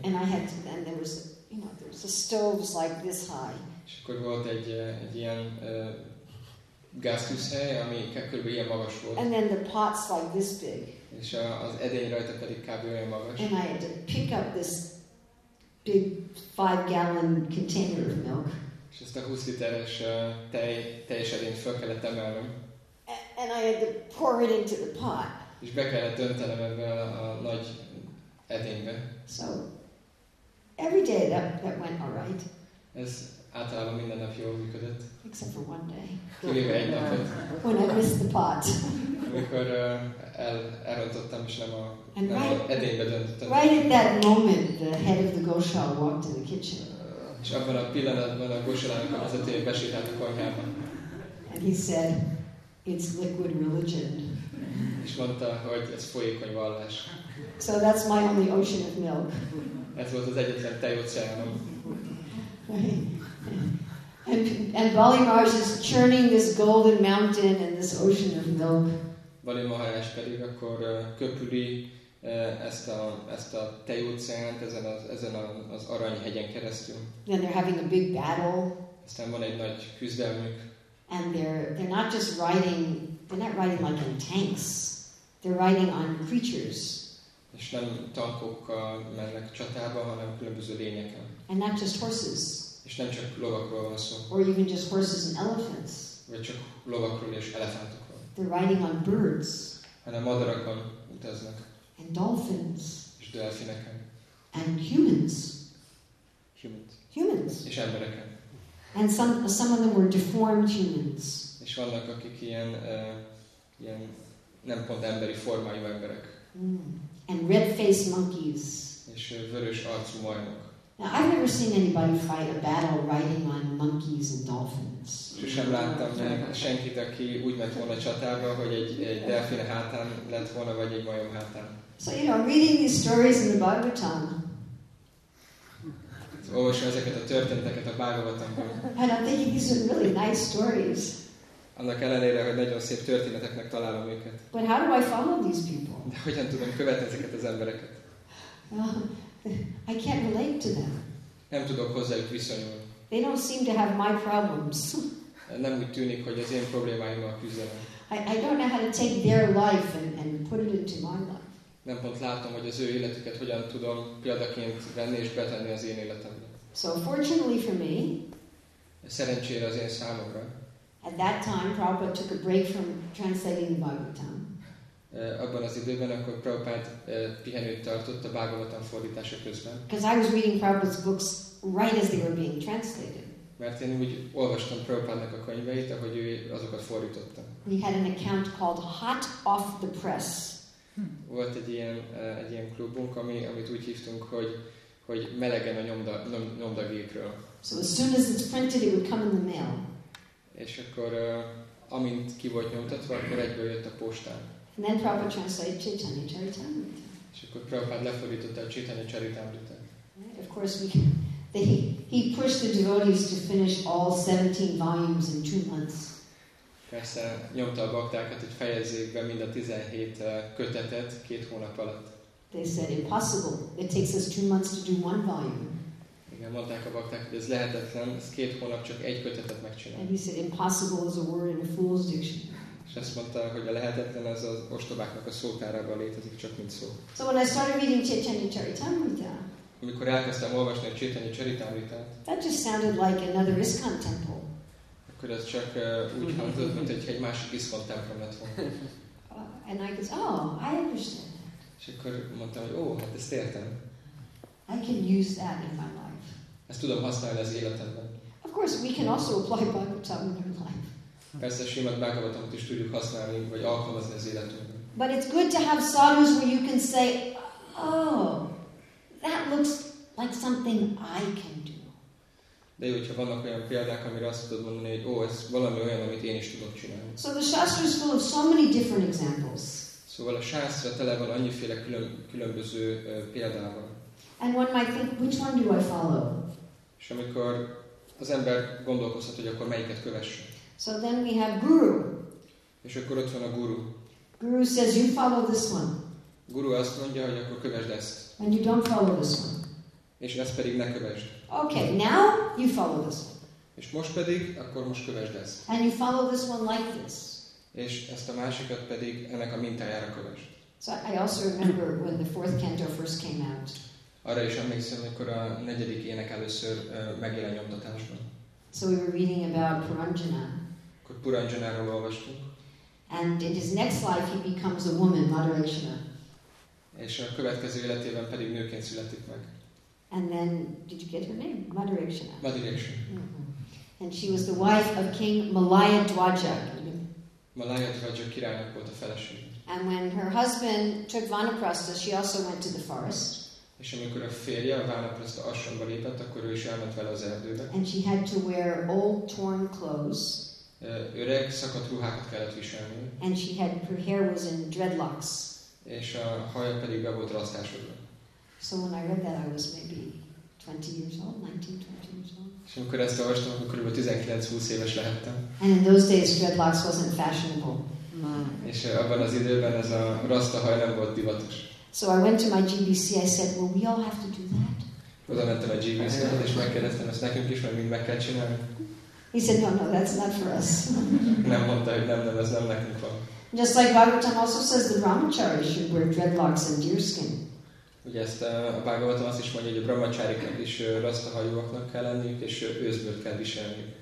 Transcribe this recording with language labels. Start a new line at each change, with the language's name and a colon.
English: And I had to, and there was, you know, there was a stove like this high.
Hungarian: És akkor volt egy ilyen gázküszhely, ami kb. Ilyen magas volt.
English: And then the pots like this big.
Hungarian: És az edény rajta pedig kb. Olyan magas.
English: And I had to pick up this big 5-gallon container of milk.
Hungarian: És ezt a 20 literes teljes edényt fel kellett emelnem.
English: And I had to pour it into the pot.
Hungarian: És be kellett döntenem ebben a nagy edénybe.
English: So every day that went all right.
Hungarian: Ez általában minden nap jól működött.
English: Except for one day.
Hungarian: Kivéve egy napot.
English: When I missed the pot.
Hungarian: Amikor elrontottam, és nem az edénybe döntöttem.
English: Right at that moment, the head of the goshal walked in the kitchen.
Hungarian: És abban a pillanatban a goshalának a vezetője besétált a konyhába.
English: And he said, it's liquid religion.
Hungarian: És mondta, hogy ez folyékony vallás.
English: So that's my only ocean of milk.
Hungarian: Ez volt az egyetlen tejóceánom.
English: And Bali Maharaj is churning this golden mountain and this ocean of milk.
Hungarian: Bali Maharaj pedig akkor köpüli ezt a tejóceánt ezen az aranyhegyen keresztül.
English: And they're having a big battle.
Hungarian: Aztán van egy nagy küzdelmük.
English: And they're not just riding, they're not riding like in tanks. They're riding on creatures.
Hungarian: És nem tankokkal mennek csatába, hanem különböző lényeken.
English: And not just horses.
Hungarian: És nem csak lovakról van szó.
English: Or even just horses and elephants.
Hungarian: Vagy csak lovakról és elefántokról.
English: They're riding on birds.
Hungarian: Hanem madarakon utaznak.
English: And dolphins.
Hungarian: És delfineken.
English: And humans. Humans.
Hungarian: És embereken.
English: And some of them were deformed humans.
Hungarian: És vannak, akik ilyen nem pont emberi formájú emberek.
English: And red-faced monkeys.
Hungarian: És vörös arcú majmok.
English: Now I've never seen anybody fight a battle riding on monkeys and dolphins.
Hungarian: Sosem láttam senkit, aki úgy ment volna csatába, hogy egy delfin hátán lent volna, vagy egy majom hátán.
English: So you know, reading these stories in the Bhagavatam.
Hungarian: Olvasom ezeket a történeteket a Bhagavatamban.
English: And I'm thinking these are really nice stories.
Hungarian: Annak ellenére, hogy nagyon szép történeteknek találom őket.
English: But how do I follow these people?
Hungarian: De hogyan tudom követni ezeket az embereket?
English: I can't relate to them.
Hungarian: Nem tudok hozzájuk viszonyulni.
English: They don't seem to have my problems.
Hungarian: Nem úgy tűnik, hogy az én problémáimmal küzdenek.
English: I don't know how to take their life and put it into my life.
Hungarian: Nem pont látom, hogy az ő életüket hogyan tudom példaként venni és betenni az én életembe.
English: So fortunately for me.
Hungarian: Szerencsére az én számomra.
English: At that time, Prabhupada took a break from translating the Bhagavatam.
Hungarian: Abban az időben, akkor Prabhupád pihenőt tartott a Bhagavatam fordítása közben.
English: Because I was reading Prabhupada's books right as they were being translated.
Hungarian: Mert én úgy olvastam Prabhupádnak a könyveit, ahogy ő azokat fordította.
English: We had an account called Hot Off the Press.
Hungarian: Volt egy ilyen klubunk, amit úgy hívtunk, hogy melegen a nyomdagépről.
English: So as soon as it's printed, it would come in the mail.
Hungarian: És akkor amint ki volt nyomtatva, akkor egyből jött a postán.
English: And then Prabhupada translated Chaitanya Charitamrita.
Hungarian: És akkor Prabhupada lefordította a Chaitanya Charitamrita.
English: Of course, he pushed the devotees to finish all 17 volumes in 2 months.
Hungarian: Persze nyomta a baktákat, hogy fejezzék be mind a 17 kötetet 2 hónap alatt.
English: They said impossible. It takes us 2 months to do one volume.
Hungarian: Igen, mondták a bakták, hogy ez lehetetlen, ez 2 hónap csak egy kötetet megcsinálni.
English: And he said impossible is a word in a fool's dictionary.
Hungarian: És azt mondta, hogy a lehetetlen ez az ostobáknak a szótárában létezik csak mint szó.
English: So when I started reading Chaitanya Charitamrita.
Hungarian: Amikor elkezdtem olvasni a Chaitanya Charitamritát.
English: That just sounded like another ISKCON temple.
Hungarian: Akkor ez csak úgy hangzott, mint hogy egy másik ISKCON templom lett volna.
English: And I guess, oh, I understand.
Hungarian: És akkor mondtam, hogy hát ezt értem.
English: I can use that in my life.
Hungarian: Ezt tudom használni az életemben.
English: Of course, we can also apply Bhagavatam in our life.
Hungarian: Persze a Srimad Bhagavatamot is tudjuk használni, vagy alkalmazni az életünkben.
English: But it's good to have sadhus where you can say, oh, that looks like something I can do.
Hungarian: De jó, hogyha vannak olyan példák, amire azt tudod mondani, hogy ez valami olyan, amit én is tudok csinálni.
English: So the Shastra is full of so many different examples.
Hungarian: Szóval a Shastra tele van annyiféle különböző példával.
English: And one might think, which one do I follow?
Hungarian: És amikor az ember gondolkozhat, hogy akkor melyiket kövessen.
English: So then we have Guru.
Hungarian: És akkor ott van a Guru.
English: Guru says, you follow this one.
Hungarian: Guru azt mondja, hogy akkor kövesd ezt.
English: And you don't follow this one.
Hungarian: És ezt pedig ne kövesd.
English: Okay, now you follow this one.
Hungarian: És most pedig, akkor most kövesd ezt.
English: And you follow this one like this.
Hungarian: És ezt a másikat pedig ennek a mintájára kövesd.
English: So I also remember when the fourth canto first came out.
Hungarian: Arra is emlékszem, amikor a negyedik ének először megjelen nyomtatásban.
English: So we were reading about Puranjana.
Hungarian: Akkor Puranjanáról olvastunk.
English: And in his next life he becomes a woman, Madarakshana.
Hungarian: És a következő életében pedig nőként születik meg.
English: And then, did you get her name? Madarakshana.
Hungarian: Madarakshana. Mm-hmm.
English: And she was the wife of King Malayadwaja.
Hungarian: Malayadwaja királynak volt a felesége.
English: And when her husband took Vanaprastha, she also went to the forest.
Hungarian: És amikor a férje a Vanaprastha ashramba lépett, akkor ő is elment vele az erdőbe.
English: And she had to wear old torn clothes.
Hungarian: Öreg szakadt ruhákat kellett viselni.
English: And she had, her hair was in dreadlocks.
Hungarian: És a haja pedig be volt rasztásodva.
English: So when I read that, I was maybe 20 years old, 19-20 years old.
Hungarian: És amikor ezt olvastam, akkor körülbelül 19-20 éves lehettem.
English: And in those days, dreadlocks wasn't fashionable.
Hungarian: És abban az időben ez a rasta haj nem volt divatos.
English: So I went to my GBC, I said, well, we all have to do that.
Hungarian: Oda mentem a GBC-hez, és megkérdeztem, ezt nekünk is, mert mind meg kell csinálni.
English: He said, no, that's not for us.
Hungarian: Nem mondta, hogy nem, ez nem nekünk van.
English: Just like Bhagavatam also says the brahmacharis should wear dreadlocks and deerskin.
Hungarian: Ugye ezt a Bhagavatam azt is mondja, hogy a brahmacháriknak is rasta hajúaknak kell lenniük, és őzbőt kell viselni.